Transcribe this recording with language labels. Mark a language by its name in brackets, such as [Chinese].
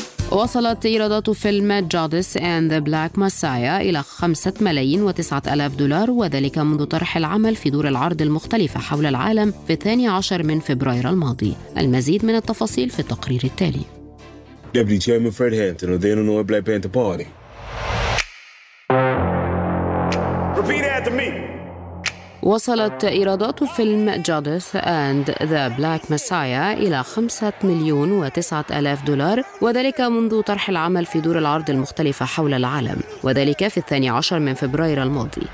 [Arabic] وصلت إيرادات فيلم جادس أند ذا بلاك ماسايا إلى 5,900,000 دولار، وذلك منذ طرح العمل في دور العرض المختلفة حول العالم في 12 من فبراير الماضي. المزيد من التفاصيل في التقرير التالي. [English] Deputy Chairman Fred Hampton of the Illinois Black Panther Party. Repeat after me. [Arabic] وصلت إيرادات فيلم جادس أند ذا بلاك مسايا إلى 5,900,000 دولار، وذلك منذ طرح العمل في دور العرض المختلفة حول العالم، وذلك في 12 فبراير الماضي.